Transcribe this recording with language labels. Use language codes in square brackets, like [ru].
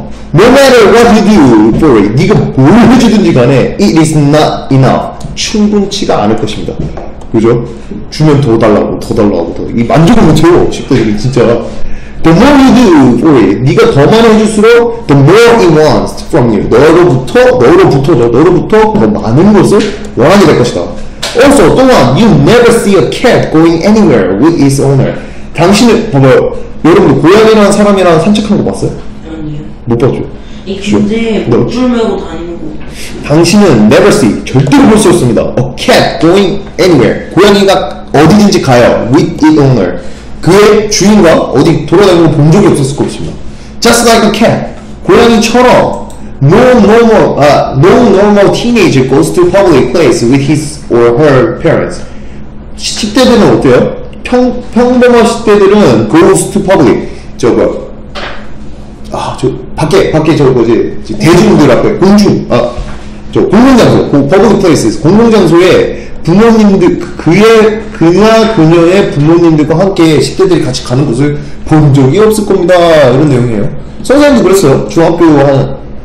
[en] No matter what you do for it, 니가 뭘 해주든지 간에, it is not enough. [ko] 충분치가 않을 것입니다. 그죠? 주면 더 달라고, 더 달라고, 더. 이 만족을 못해요, 10대들이 진짜. [en] The more you do for it, 니가 더 많이 해줄수록, the more it wants from you. [ko] 너로부터 더 많은 것을 원하게 될 것이다. [en] Also, 또한, you never see a cat going anywhere with its owner. [ko] 당신은, 봐봐요. 여러분, 고양이랑 사람이랑 산책한 거 봤어요? 못 봤죠. 근데 목줄 메고 다니는 거. 당신은 never see, 절대로 볼 수 없습니다. [en] A cat going anywhere. [ko] 고양이가 어디든지 가요. [en] With its owner. [ko] 그의 주인과 어디 돌아다니는 거 본 적이 없었을 것입니다. [en] Just like a cat. 고양이처럼 no normal teenager goes to public place with his or her parents. [ko] 10대들은 어때요? [en] 평범한 10대들은 goes to public. [ko] 저거. 밖에 저 뭐지 대중들 앞에 공중 공공장소 퍼블릭 플레이스 공공장소에 부모님들, 그의, 그냐, 그녀의 부모님들과 함께 10대들이 같이 가는 곳을 본 적이 없을 겁니다. 이런 내용이에요. 선생님도 그랬어요. 중학교 한